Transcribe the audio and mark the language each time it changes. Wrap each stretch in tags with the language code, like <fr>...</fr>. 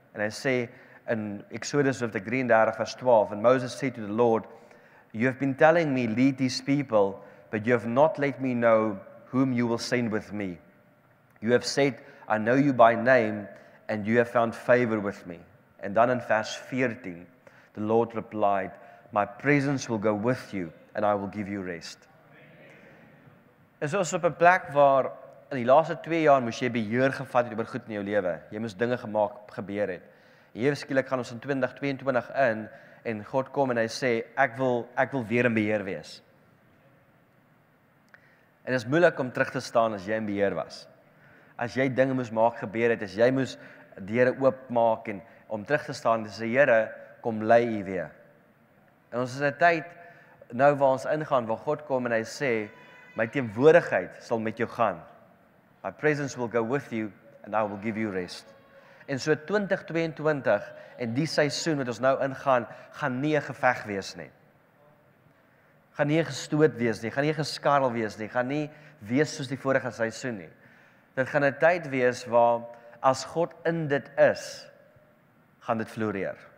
<af>En hy sê in Exodus hoofstuk 33 vers 12,</af> <en>and Moses said to the Lord, you have been telling me lead these people, but you have not let me know whom you will send with me. You have said, I know you by name, and you have found favor with me. And then in vers 14, the Lord replied, my presence will go with you, and I will give you rest.</en> <af>En so is op 'n plek waar in die laaste 2 jaar moes jy beheer gevat het oor goed in jou lewe. Jy moes dinge gemaak, gebeur het. Ewe skielik gaan ons in 2022 in, en God kom en hy sê, ek wil weer in beheer wees. En dit is moeilik om terug te staan as jy in beheer was. As jy dinge moes maak, gebeur het, as jy moes deure oopmaak en om terug te staan, dis sê, Here, kom lei U weer. En ons is in 'n tyd, nou waar ons ingaan, waar God kom en hy sê, my teenwoordigheid sal met jou gaan.</af> <en>My presence will go with you, and I will give you rest.</en> <af>En so 2022, en die seisoen wat ons nou ingaan, gaan nie 'n geveg wees nie. Gaan nie gestoot wees nie, gaan nie geskarrel wees nie, gaan nie wees soos die vorige seisoen nie. Dit gaan 'n tyd wees waar, as God in dit is, gaan dit floreer.</af>